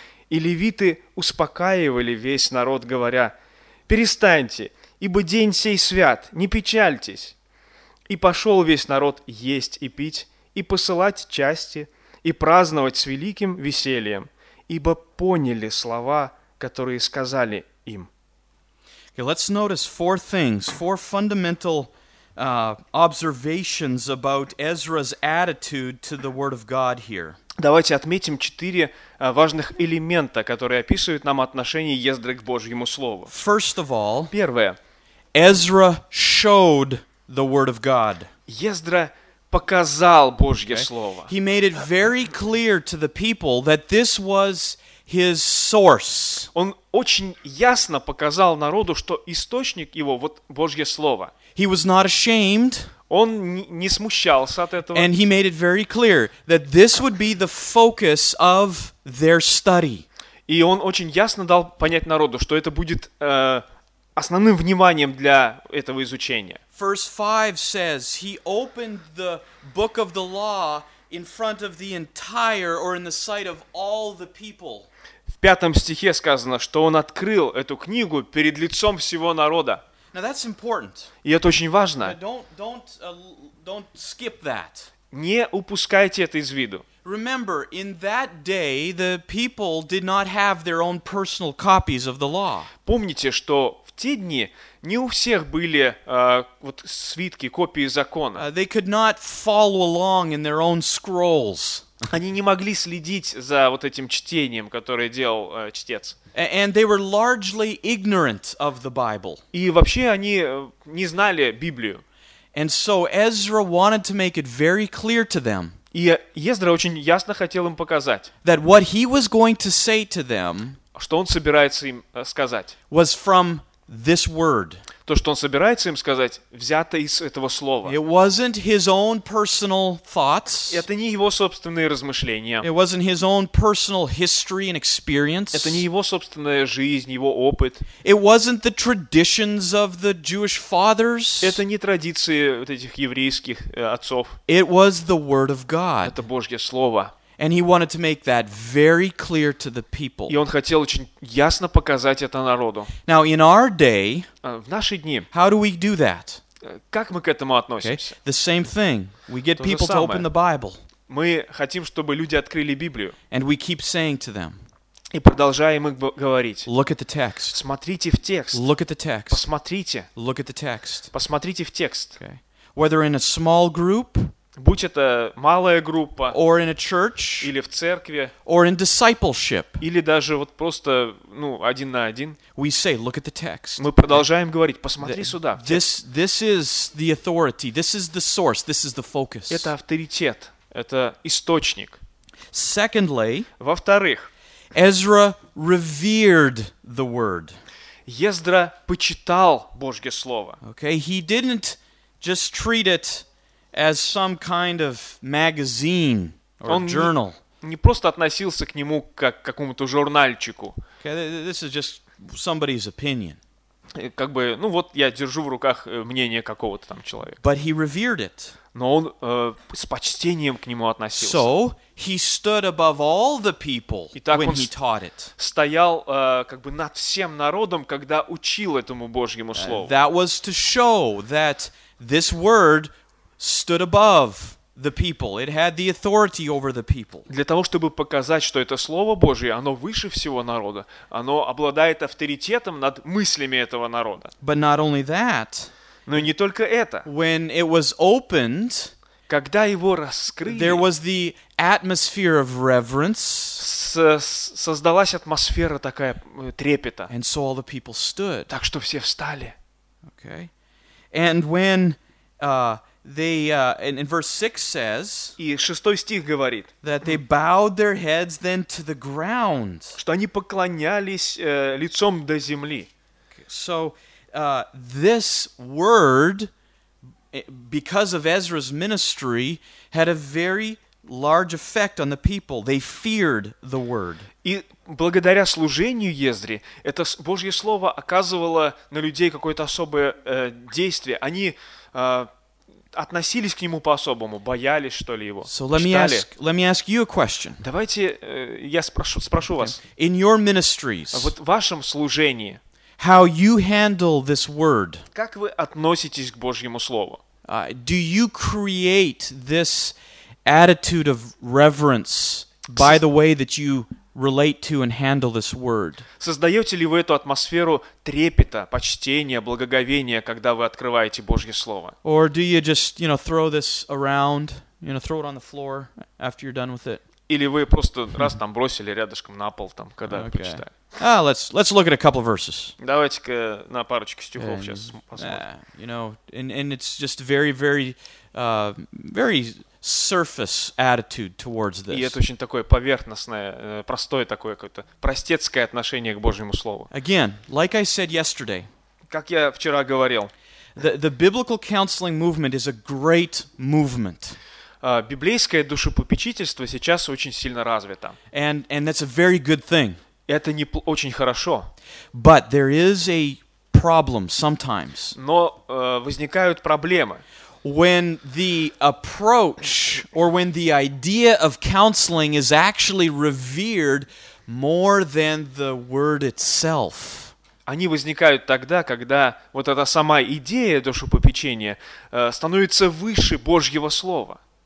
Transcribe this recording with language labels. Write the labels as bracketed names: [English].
[Russian] И левиты успокаивали весь народ, говоря: «Перестаньте, ибо день сей свят, не печальтесь». И пошел весь народ есть и пить, и посылать части, и праздновать с великим весельем, ибо поняли слова, которые сказали им. [English] Okay, let's notice four things, four fundamental observations about Ezra's attitude to the Word of God here. [Russian] Давайте отметим четыре важных элемента, которые описывают нам отношение Ездры к Божьему Слову. [English] First of all, [Russian] первое, [English] Ezra showed the Word of God. [Russian] Ездра показал Божье Слово. [English] He made it very clear to the people that this was His source. [Russian] Он очень ясно показал народу, что источник его вот Божье слово. [English] He was not ashamed. [Russian] Он не смущался от этого. [English] And he made it very clear that this would be the focus of their study. [Russian] И он очень ясно дал понять народу, что это будет основным вниманием для этого изучения. [English] Verse 5 says he opened the book of the law in front of the entire, or in the sight of all the people. [Russian] В пятом стихе сказано, что он открыл эту книгу перед лицом всего народа. [English] Now that's important. [Russian] И это очень важно. [English] Don't skip that. [Russian] Не упускайте это из виду. [English] Remember, in that day, the people did not have their own personal copies of the law. [Russian] Помните, что в те дни не у всех были вот свитки, копии закона. [English] They could not follow along in their own scrolls. [Russian] Они не могли следить за вот этим чтением, которое делал чтец. [English] And they were largely ignorant of the Bible. [Russian] И вообще они не знали Библию. [English] And so Ezra wanted to make it very clear to them. [Russian] И Ездра очень ясно хотел им показать, [English] that what he was going to say to them, [Russian] что он собирается им сказать, [English] was from this word. [Russian] То, что он собирается им сказать, взято из этого слова. [English] It wasn't his own personal thoughts. [Russian] Это не его собственные размышления. [English] It wasn't his own personal history and experience. [Russian] Это не его собственная жизнь, его опыт. [English] It wasn't the traditions of the Jewish fathers. [Russian] Это не традиции вот этих еврейских отцов. [English] It was the word of God. [Russian] Это Божье слово. [English] And he wanted to make that very clear to the people. [Russian] И он хотел очень ясно показать это народу. [English] Now in our day, [Russian] в наши дни, [English] how do we do that? [Russian] Как мы к этому относимся? [English] Okay. The same thing. We get [Russian] то [English] people to open the Bible. [Russian] Мы хотим, чтобы люди открыли Библию. [English] And we keep saying to them, [Russian] и продолжаем их говорить. [English] Look at the text. [Russian] Смотрите в текст. [English] Look at the text. [Russian] Посмотрите. [English] Look at the text. [Russian] Посмотрите в текст. [English] Okay. Whether in a small group, [Russian] будь это малая группа, [English] or in a church, [Russian] или в церкви, [English] or in discipleship, [Russian] или даже вот просто ну, один на один, [English] we say, look at the text. [Russian] Мы продолжаем говорить: посмотри сюда. [English] This is the authority, this is the source, this is the focus. [Russian] Это авторитет, это источник. [English] Secondly, [Russian] во-вторых, [English] Ezra revered the word. [Russian] Ездра почитал Божье слово. [English] Okay, he didn't just treat it as some kind of magazine or [Russian] Он [English] journal. [Russian] Не просто относился к нему как к какому-то журнальчику. [English] Okay, this is just somebody's opinion. [Russian] Как бы, ну вот я держу в руках мнение какого-то там человека. [English] But he revered it. [Russian] Но он с почтением к нему относился. [English] So he stood above all the people when he taught it. [Russian] Стоял как бы над всем народом, когда учил этому Божьему слову. [English] That was to show that this word stood above the people. It had the authority over the people. [Russian] Для того, чтобы показать, что это слово Божье, оно выше всего народа. Оно обладает авторитетом над мыслями этого народа. [English] But not only that. [Russian] Но не только это. [English] When it was opened, [Russian] когда его раскрыли, [English] there was the atmosphere of reverence. [Russian] Создалась атмосфера такая трепета. [English] And so all the people stood. [Russian] Так что все встали. [English] Okay. And when in verse 6 says, [Russian] и шестой стих говорит, [English] that they bowed their heads then to the ground. [Russian] Что они поклонялись лицом до земли. [English] So this word, because of Ezra's ministry, had a very large effect on the people. They feared the word. [Russian] И благодаря служению Ездре, это Божье слово оказывало на людей какое-то особое действие. Они относились к нему по-особому, боялись, что ли, его. [English] So let me ask you a question. [Russian] Давайте я спрошу вас. [English] In your ministries, [Russian] вот в вашем служении, [English] how you handle this word? [Russian] Как вы относитесь к Божьему слову? [English] Do you create this attitude of reverence by the way that you relate to and handle this word? [Russian] Создаете ли вы эту атмосферу трепета, почтения, благоговения, когда вы открываете Божье слово? [English] Or do you just, you know, throw this around, you know, throw it on the floor after you're done with it? [Russian] Или вы просто раз там бросили рядышком на пол, там, когда [English] okay. [Russian] прочитали? [English] Let's look at a couple of verses. [Russian] Давайте-ка на парочку стихов сейчас посмотрим. [English] You know, and it's just very, very, very surface attitude towards this. [Russian] И это очень такое поверхностное, простое такое какое-то, простецкое отношение к Божьему Слову. [English] Again, like I said yesterday. [Russian] Как я вчера говорил. [English] The biblical counseling movement is a great movement. [Russian] Библейское душепопечительство сейчас очень сильно развито. [English] And that's a very good thing. [Russian] Это не очень хорошо. [English] But there is a problem sometimes. [Russian] Но возникают проблемы. [English] When the approach or when the idea of counseling is actually revered more than the word itself. [Russian] Они возникают тогда, когда вот эта сама идея душепопечения становится выше Божьего слова.